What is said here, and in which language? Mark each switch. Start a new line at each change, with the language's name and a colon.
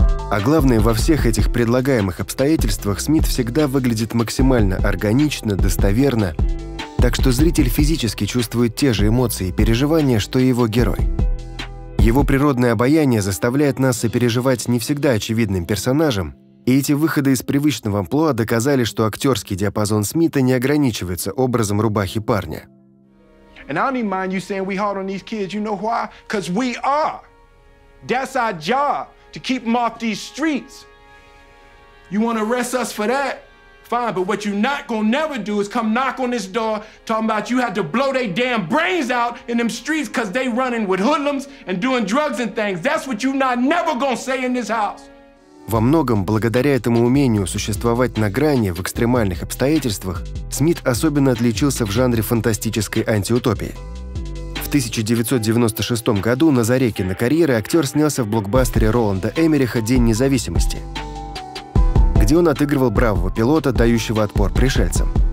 Russian: А главное, во всех этих предлагаемых обстоятельствах Смит всегда выглядит максимально органично, достоверно, так что зритель физически чувствует те же эмоции и переживания, что и его герой. Его природное обаяние заставляет нас сопереживать не всегда очевидным персонажам, и эти выходы из привычного амплуа доказали, что актерский диапазон Смита не ограничивается образом рубахи парня.
English: And I don't even mind you saying we hard on these kids. You know why? Because we are. That's our job, to keep them off these streets. You want to arrest us for that? Fine, but what you're not going to never do is come knock on this door talking about you had to blow their damn brains out in them streets because they running with hoodlums and doing drugs and things. That's what you're not never going to say in this house.
Russian: Во многом, благодаря этому умению существовать на грани в экстремальных обстоятельствах, Смит особенно отличился в жанре фантастической антиутопии. В 1996 году на заре кинокарьеры актер снялся в блокбастере Роланда Эммериха «День независимости», где он отыгрывал бравого пилота, дающего отпор пришельцам.